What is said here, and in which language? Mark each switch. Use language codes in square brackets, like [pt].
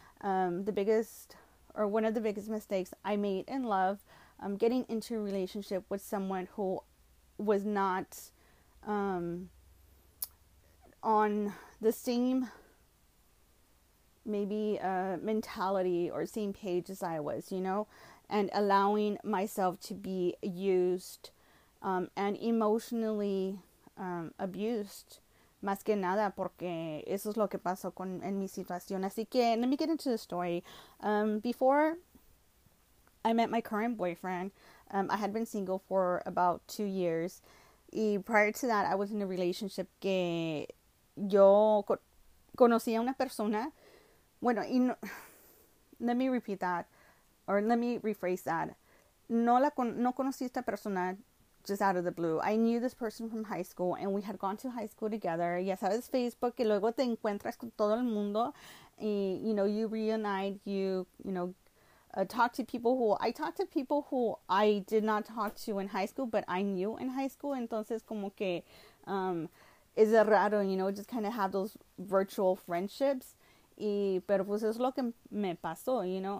[en] The biggest or one of the biggest mistakes I made in love, getting into a relationship with someone who was not on the same maybe mentality or same page as I was, you know, and allowing myself to be used and emotionally abused. [es] Más que nada, porque eso es lo que pasó con en mi situación. Así que, [en] let me get into the story. Before I met my current boyfriend, I had been single for about 2 years. Y prior to that, I was in a relationship [es] que yo co conocí a una persona. Bueno, y no, [en] let me repeat that, or let me rephrase that. [es] No conocí a esta persona [en] just out of the blue. I knew this person from high school and we had gone to high school together. [es] Ya sabes, Facebook, que luego te encuentras con todo el mundo. [en] Y, you know, you reunite, you know, talk to people who I talked to people who I did not talk to in high school, but I knew in high school. [es] Entonces, como que, es raro, [en] you know, just kind of have those virtual friendships. [es] Y, pero pues es lo que me pasó, [en] you know.